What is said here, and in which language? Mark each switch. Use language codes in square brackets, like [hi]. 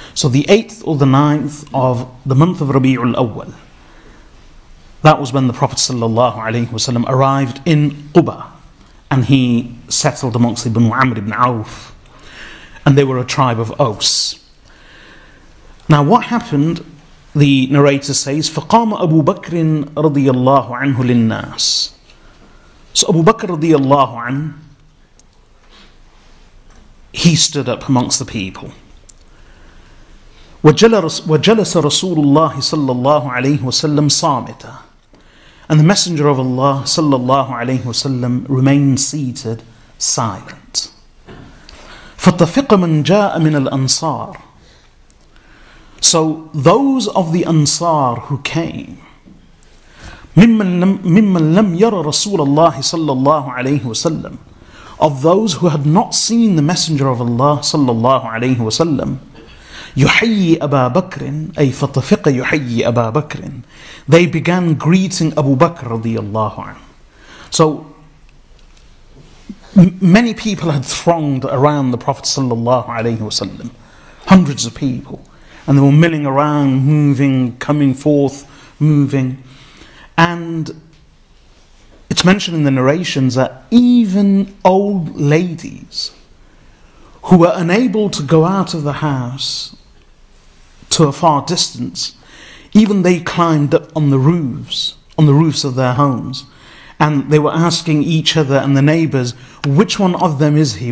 [en] So the 8th or the 9th of the month of Rabi'ul Awwal, that was when the Prophet sallallahu alaihi wasallam arrived in Quba, and he settled amongst Ibn Amr ibn Auf. And they were a tribe of Aus. Now what happened, the narrator says, [ar] فَقَامَ أَبُو بَكْرٍ رَضِيَ اللَّهُ عَنْهُ لِلنَّاسِ. [en] So Abu Bakr radiallahu anhu, he stood up amongst the people. [ar] وَجَلَسَ رَسُولُ اللَّهِ صَلَّى اللَّهُ عَلَيْهُ وَسَلَّمْ صَامِتًا. [en] And the Messenger of Allah sallallahu alayhi wasallam remained seated silent. [ar] فَتَّفِقَ مَنْ جَاءَ مِنَ الْأَنصَارِ. [en] So those of the Ansar who came, [ar] مِمَّنْ لَمْ يَرَ رَسُولَ اللَّهِ صَلَّى اللَّهُ عَلَيْهُ وَسَلَّمْ, [en] of those who had not seen the Messenger of Allah [ar] صَلَّى اللَّهُ عَلَيْهُ وَسَلَّمْ, يُحَيِّ أَبَا بَكْرٍ, أي فَتَّفِقَ يُحَيِّ أَبَا بَكْرٍ, [en] they began greeting Abu Bakr [ar] رضي الله عنه. [en] So Many people had thronged around the Prophet sallallahu alaihi wasallam, hundreds of people, and they were milling around, moving, coming forth, moving. And it's mentioned in the narrations that even old ladies who were unable to go out of the house to a far distance, even they climbed up on the roofs of their homes, and they were asking each other and the neighbors, which one of them is he?